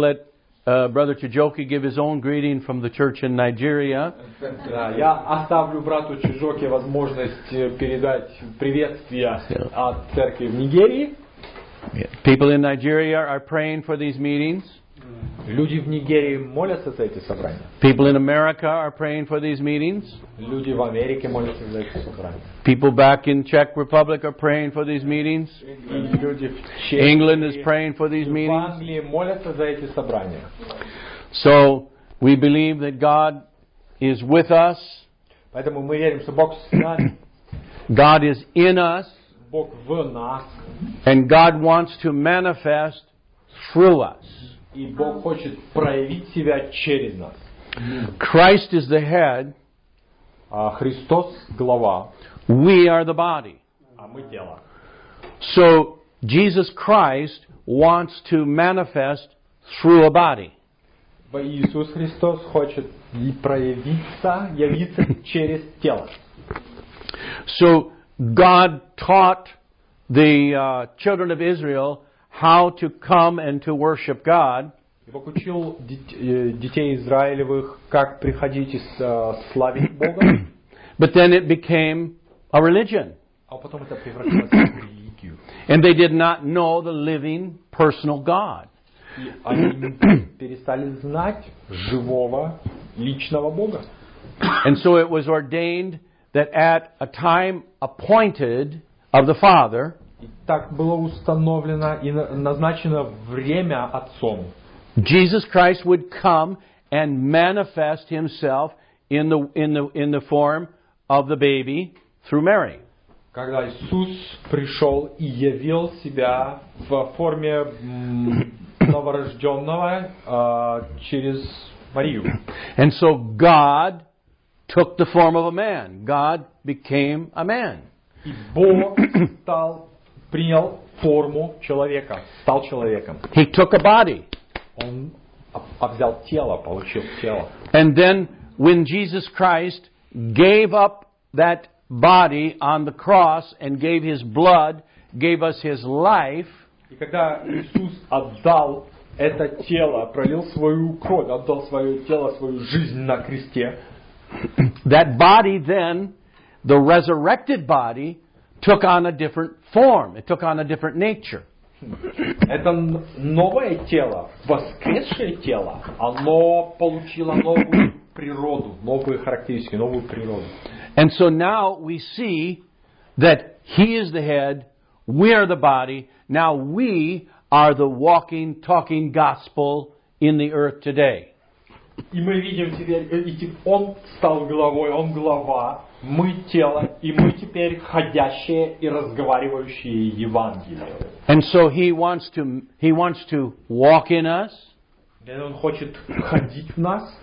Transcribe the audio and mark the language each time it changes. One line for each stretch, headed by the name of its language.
English: let Brother Chijoki give his own greeting from the church in Nigeria.
Russian: Я оставлю брату Чижоке возможность передать приветствие от церкви в Нигерии.
English: People in Nigeria are praying for these meetings.
Russian: Люди в Нигерии молятся за эти собрания.
English: People in America are praying for these meetings.
Russian: Люди в Америке молятся за эти собрания.
English: People back in Czech Republic are praying for these meetings. England is praying for these meetings.
Russian: В Англии молятся за эти собрания.
English: So we believe that God is with us.
Russian: Поэтому мы верим, что Бог с нами.
English: God is in us.
Russian: Бог в нас.
English: And God wants to manifest through us.
Russian: И Бог хочет проявить себя через нас.
English: Christ is the head.
Russian: Христос глава.
English: We are the body.
Russian: А мы тело.
English: So Jesus Christ wants to manifest through a body.
Russian: Иисус Христос хочет проявиться, явиться через тело.
English: So God taught the children of Israel how to come and to worship God.
Russian: И Бог учил детей Израилевых, как приходить и славить Бога.
English: But then it became a religion.
Russian: А потом это превратилось в религию.
English: And they did not know the living, personal God.
Russian: И они перестали знать живого, личного Бога.
English: And so it was ordained that at a time appointed of the Father,
Russian: и так было установлено и назначено время Отцом,
English: Jesus Christ would come and manifest himself in the form of the baby through Mary.
Russian: Когда Иисус пришёл и явил себя в форме новорождённого через Марию.
English: And so God took the form of a man. God became a man.
Russian: И Бог стал принял форму человека, стал человеком.
English: He took a body.
Russian: Он взял тело, получил тело.
English: And then when Jesus Christ gave up that body on the cross and gave his blood, gave us his life.
Russian: И когда Иисус отдал это тело, пролил свою кровь, отдал свое тело, свою жизнь на кресте.
English: That body then, the resurrected body, took on a different form. It took on a different nature.
Russian: Это новое тело, воскресшее тело, оно получило новую природу, новую характеристику, новую природу.
English: And so now we see that he is the head, we are the body, now we are the walking, talking gospel in the earth today.
Russian: И мы видим теперь, он стал главой, он глава, мы тело, и мы теперь ходящие и разговаривающие Евангелие.
English: And so he wants to walk in us.
Russian: Then он хочет ходить в нас.